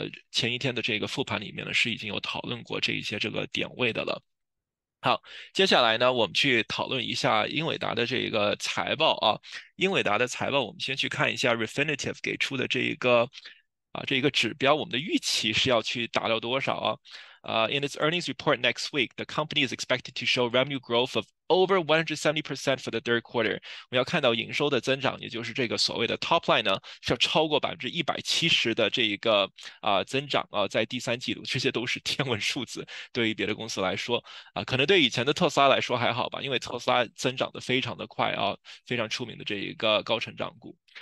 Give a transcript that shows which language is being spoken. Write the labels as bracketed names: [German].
[Chinese] 前一天的这个复盘里面呢是已经有讨论过这一些这个点位的了。好，接下来呢，我们去讨论一下英伟达的这一个财报啊。英伟达的财报，我们先去看一下 Refinitiv 给出的这一个这一个指标，我们的预期是要去达到多少啊？ [English] In its earnings report next week, the company is expected to show revenue growth of over 170% for the third quarter。 [Chinese] 我们要看到营收的增长，也就是这个所谓的 [English] top line [Chinese] 呢，是要超过170%的这一个增长在第三季度，这些都是天文数字。对于别的公司来说可能对以前的特斯拉来说还好吧，因为特斯拉增长得非常的快非常出名的这一个高成长股。